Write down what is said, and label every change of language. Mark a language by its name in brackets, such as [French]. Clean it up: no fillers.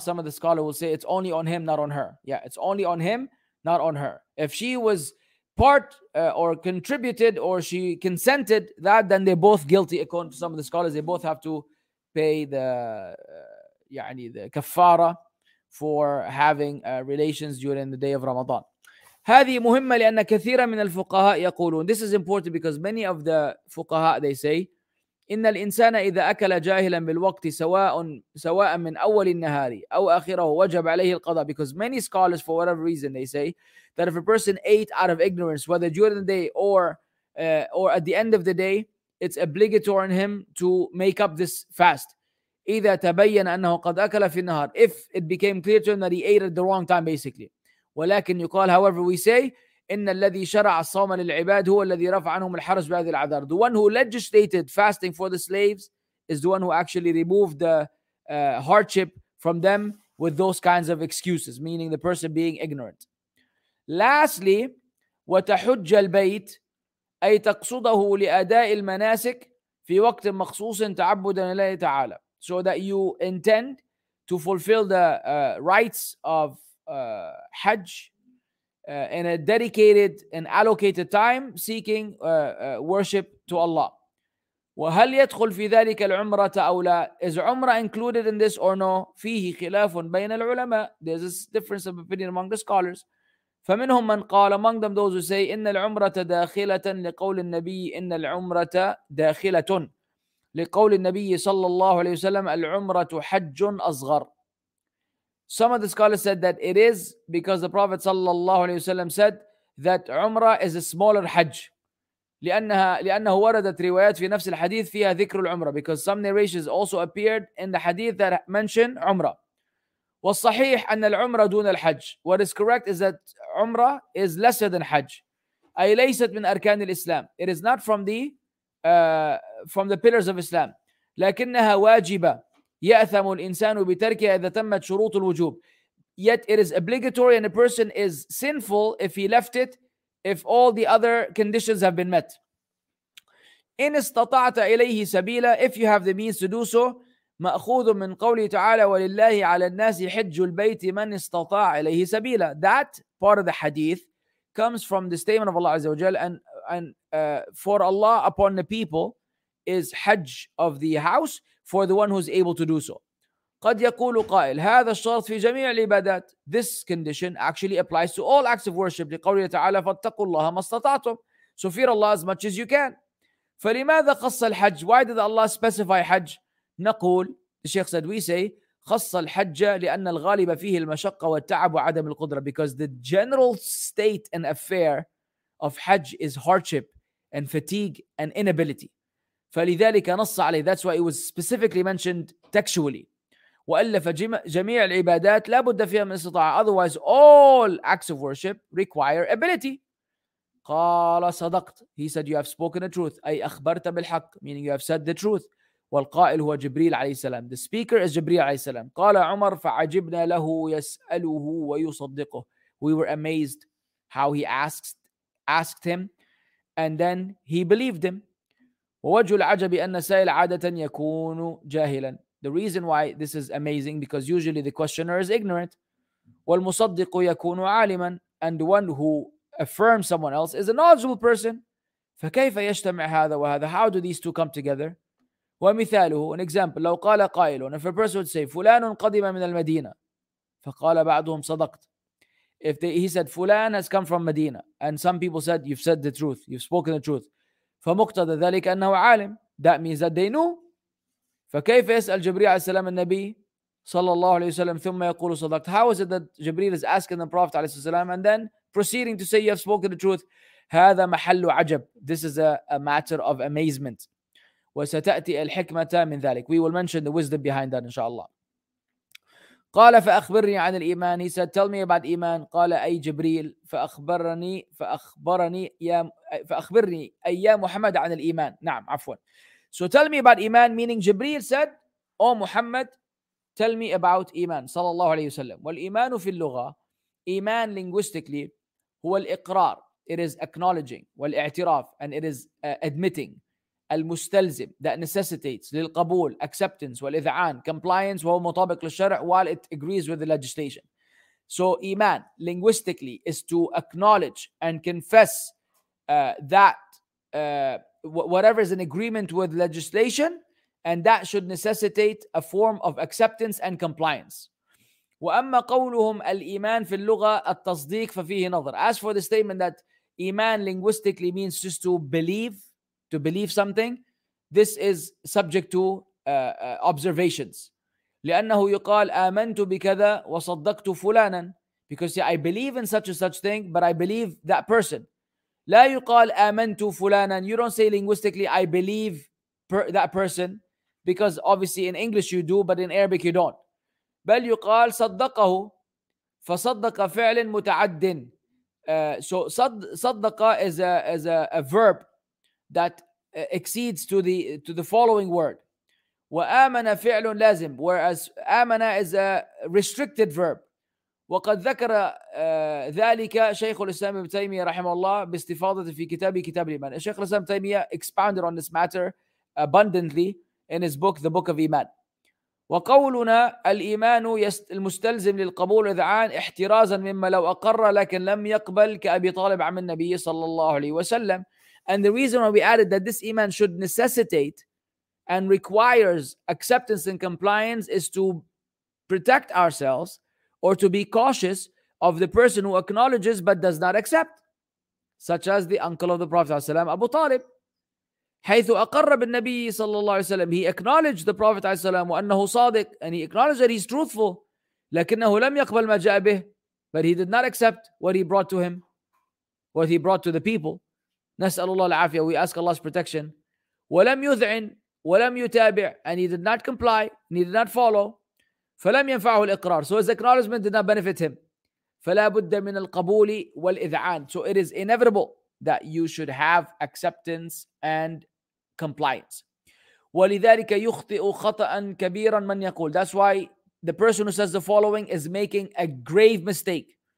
[English] Some of the scholars will say it's only on him, not on her. Yeah, it's only on him, not on her. If she was part or contributed or she consented that, then they're both guilty. According to some of the scholars, they both have to pay the the kafara for having relations during the day of Ramadan. [Arabic] هذه مهمة لأن كثيرا من الفقهاء يقولون. [English] This is important because many of the [Arabic] فقهاء [English] they say [Arabic] إن الإنسان إذا أكل جاهلا بالوقت سواء من أول النهار أو آخره وجب عليه القضاء. [English] Because many scholars for whatever reason they say that if a person ate out of ignorance whether during the day or at the end of the day, it's obligatory on him to make up this fast. [Arabic] إذا تبين أنه قد أكل في النهار. [English] If it became clear to him that he ate at the wrong time basically. [Arabic] ولكن يقال [English] however we say [Arabic] إن الذي شرع الصوم للعباد هو الذي رفع عنهم الحرج بهذه العذار. [English] The one who legislated fasting for the slaves is the one who actually removed the hardship from them with those kinds of excuses, meaning the person being ignorant. Lastly, [Arabic] وتحج البيت أي تقصده لأداء المناسك في وقت مخصوص تعبدا لله تعالى. [English] So that you intend to fulfill the rites of Hajj in a dedicated and allocated time seeking worship to Allah. [Arabic] وهل يدخل في ذلك العمرة أو لا? [English] Is Umrah included in this or no? [Arabic] فيه خلاف بين العلماء. [English] There's a difference of opinion among the scholars. [Arabic] فمنهم من قال, [English] among them those who say [Arabic] إن العمرة داخلة لقول النبي إن العمرة داخلة لقول النبي صلى الله عليه وسلم العمرة حج أصغر. [English] Some of the scholars said that it is because the Prophet sallallahu alaihi wasallam said that Umrah is a smaller Hajj. [Arabic] لأنه وردت روايات في نفس الحديث فيها ذكر العمرة. [English] Because some narrations also appeared in the hadith that mention Umrah. [Arabic] والصحيح أن العمرة دون الحج. [English] What is correct is that Umrah is lesser than Hajj. [Arabic] أي ليست من أركان الإسلام. [English] It is not from the pillars of Islam. [Arabic] لكنها واجبة. يأثم الإنسان بتركها إذا تمت شروط الوجوب. [English] Yet it is obligatory and a person is sinful if he left it if all the other conditions have been met. [Arabic] إن استطعت إليه سبيلا, [English] if you have the means to do so, [Arabic] مأخوذ من قوله تعالى ولله على الناس حج البيت من استطاع إليه سبيلا. [English] That part of the hadith comes from the statement of Allah [Arabic] عز وجل [English] for Allah upon the people is Hajj of the house for the one who is able to do so. [Arabic] قد يقول قائل هذا الشرط في جميع العبادات. [English] This condition actually applies to all acts of worship. [Arabic] لقوله تعالى فاتقوا الله ما استطعتم. [English] So fear Allah as much as you can. [Arabic] فلماذا خص الحج? [English] Why did Allah specify حج? [Arabic] نقول, [English] the Sheikh said, we say [Arabic] خص الحج لأن الغالب فيه المشقة والتعب وعدم القدرة. [English] Because the general state and affair of حج is hardship and fatigue and inability. [Arabic] فلذلك نص عليه. [English] That's why it was specifically mentioned textually. [Arabic] وألف جميع العبادات لا بد فيها من استطاعة. [English] Otherwise, all acts of worship require ability. [Arabic] قال صدقت. [English] He said, you have spoken the truth. [Arabic] أي أخبرت بالحق. [English] Meaning you have said the truth. [Arabic] والقائل هو جبريل عليه السلام. [English] The speaker is [Arabic] جبريل عليه السلام. قال عمر فعجبنا له يسأله ويصدقه. [English] We were amazed how he asked him. And then he believed him. [Arabic] ووجه العجب أن السائل عادة يكون جاهلا. [English] The reason why this is amazing because usually the questioner is ignorant. [Arabic] والمصدق يكون عالما. [English] And the one who affirms someone else is a knowledgeable person. [Arabic] فكيف يجتمع هذا وهذا? [English] How do these two come together? [Arabic] ومثاله, [English] an example, [Arabic] لو قال قائل, [English] if a person would say [Arabic] فلان قدم من المدينة فقال بعضهم صدقت. [English] If he said فلان has come from Medina and some people said you've said the truth, you've spoken the truth, [Arabic] فمقتضى ذلك أنه عالم. [English] That means that they knew. [Arabic] فكيف يسأل جبريل عليه السلام النبي صلى الله عليه وسلم ثم يقول صدقت. [English] How is it that Jibreel is asking the Prophet [Arabic] عليه السلام [English] and then proceeding to say you have spoken the truth? [Arabic] هذا محل عجب. [English] This is a matter of amazement. [Arabic] وستأتي الحكمة من ذلك. [English] We will mention the wisdom behind that [Arabic] إن شاء الله. قال فأخبرني عن الإيمان. [English] He said, tell me about إيمان. [Arabic] قال أي جبريل فأخبرني أي محمد عن الإيمان. نعم عفوا. [English] So tell me about إيمان, meaning جبريل said, oh محمد, tell me about إيمان [Arabic] صلى الله عليه وسلم. والإيمان في اللغة, إيمان [English] linguistically, [Arabic] هو الإقرار. [English] It is acknowledging, [Arabic] والإعتراف, [English] and it is admitting. [Arabic] المستلزم, [English] that necessitates, [Arabic] للقبول, [English] acceptance, [Arabic] والإذعان, [English] compliance, [Arabic] وهو مطابق للشرع, [English] while it agrees with the legislation. So إيمان, linguistically, is to acknowledge and confess that whatever is in agreement with legislation, and that should necessitate a form of acceptance and compliance. [Arabic] وأما قولهم الإيمان في اللغة التصديق ففيه نظر. [English] As for the statement that إيمان linguistically means just to believe something, this is subject to observations. [Arabic] لأنه يقال آمنت بكذا وصدقت فلانا, [English] because see, I believe in such and such thing, but I believe that person. [Arabic] لا يقال آمنت فلانا. [English] You don't say linguistically I believe that person, because obviously in English you do, but in Arabic you don't. [Arabic] بل يقال صدقه فصدق فعل متعد. [English] صدق is a verb that exceeds to the following word. [Arabic] وآمن فعل لازم, [English] whereas آمن is a restricted verb. [Arabic] وقد ذكر ذلك شيخ الإسلام ابن تيمية رحمه الله باستفاضة في كتاب الإيمان. [English] الشيخ الإسلام ابن تيمية expounded on this matter abundantly in his book, The Book of Iman. [Arabic] وقولنا الإيمان المستلزم للقبول إذعان احترازا مما لو أقر لكن لم يقبل كأبي طالب عم النبي صلى الله عليه وسلم. [English] And the reason why we added that this Iman should necessitate and requires acceptance and compliance is to protect ourselves or to be cautious of the person who acknowledges but does not accept, such as the uncle of the Prophet ﷺ, Abu Talib. [Arabic] حيث أقر بالنبي صلى الله عليه وسلم, [English] he acknowledged the Prophet ﷺ [Arabic] وأنه صادق, [English] and he acknowledged that he's truthful. [Arabic] لكنه لم يقبل ما جاء به, [English] but he did not accept what he brought to him, what he brought to the people. [Arabic] نسأل الله العافية. [English] We ask Allah's protection. [Arabic] ولم يذعن ولم يتابع, [English] and he did not comply, and he did not follow. [Arabic] فلم ينفعه الإقرار. [English] So his acknowledgement did not benefit him. [Arabic] فلا بد من القبول والإذعان. [English] So it is inevitable that you should have acceptance and compliance. [Arabic] ولذلك يخطئ خطأ كبيرا من يقول. [English] That's why the person who says the following is making a grave mistake.